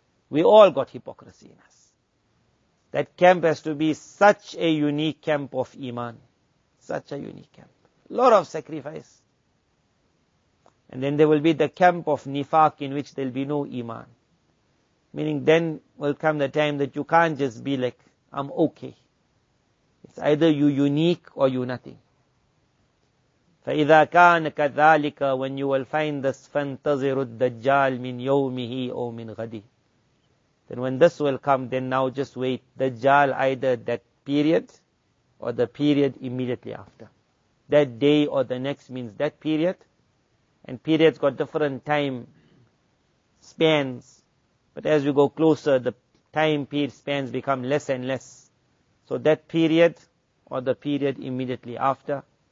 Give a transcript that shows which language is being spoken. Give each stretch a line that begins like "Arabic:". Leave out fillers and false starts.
English: We all got hypocrisy in us. That camp has to be such a unique camp of iman. Such a unique camp. Lot of sacrifice. And then there will be the camp of nifaq in which there will be no iman. Meaning then will come the time that you can't just be like, I'm okay. It's either you unique or you nothing.
Arabic: فَإِذَا كَانَ كَذَلِكَ
English: when you will find this
Arabic: فَانْتَظِرُ الدَّجَّالِ مِنْ يَوْمِهِ أَوْ مِنْ غَدِي.
English: Then when this will come, then now just wait. Dajjal either that period or the period immediately after. That day or the next means that period. And periods got different time spans. But as we go closer, the time period spans become less and less. So that period or the period immediately after.